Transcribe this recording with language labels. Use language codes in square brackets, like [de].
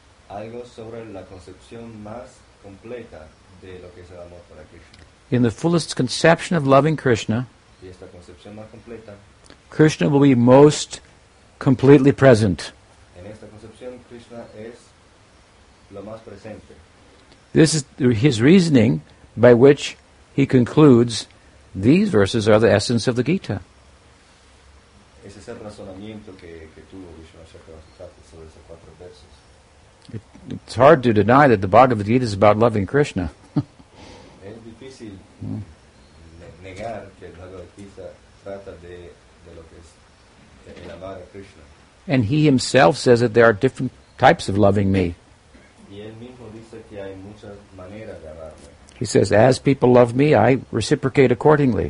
[es] Algo sobre la concepción más completa de lo que es el amor para Krishna. [en] In the fullest conception of loving Krishna, [es] y esta concepción más completa, [en] Krishna will be most completely present. [es] En esta concepción, Krishna es lo más presente. [en] This is his reasoning by which he concludes these verses are the essence of the Gita. [es] Ese es el razonamiento que tuvo Vishwanath sobre esos cuatro versos. [en] It's hard to deny that the Bhagavad Gita is about loving Krishna. [es] Es difícil negar que el Bhagavad Gita trata de lo que es el amar a Krishna. [en] And he himself says that there are different types of loving me. [es] Y él mismo dice que hay muchas maneras de amarme. [en] He says, as people love me, I reciprocate accordingly.